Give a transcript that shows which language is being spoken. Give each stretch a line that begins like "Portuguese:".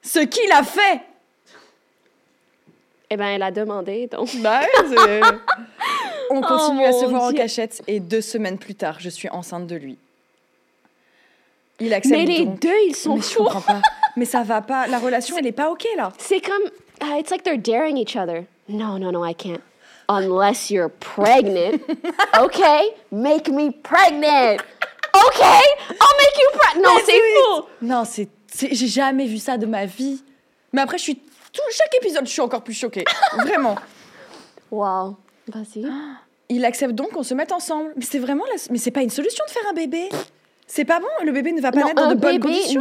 French: Ce qu'il a fait ! Eh ben, elle a demandé, donc. Bah, c'est... On continue à se voir en cachette, et 2 semaines plus tard, je suis enceinte de lui. Il accepte donc. Mais les deux, ils sont fous ! Je comprends pas. Mais ça va pas. La relation, elle est pas OK, là. C'est comme...
English: It's like they're daring each other. Non, I can't. unless you're pregnant. Okay, make me pregnant. Okay, I'll make you pregnant.
French: Non, c'est fou. Non, c'est, j'ai jamais vu ça de ma vie. Mais après, je suis tout, chaque épisode, je suis encore plus choquée. Vraiment. Wow. Vas-y. Il accepte donc qu'on se mette ensemble. Mais c'est vraiment la... Mais c'est pas une solution de faire un bébé. C'est pas bon, le bébé ne va pas naître dans de bonnes conditions.